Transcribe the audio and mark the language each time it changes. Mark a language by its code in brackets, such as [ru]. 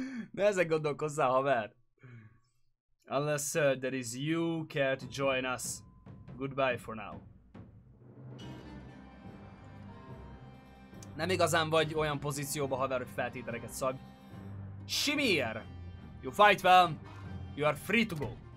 [hu] Ne ezek gondolkozzá, haver. [en] Unless, sir, that is you care to join us. Goodbye for now. [hu] Nem igazán vagy olyan pozícióba, haver, hogy feltételeket szabj. Shimir! [en] You fight well, you are free to go.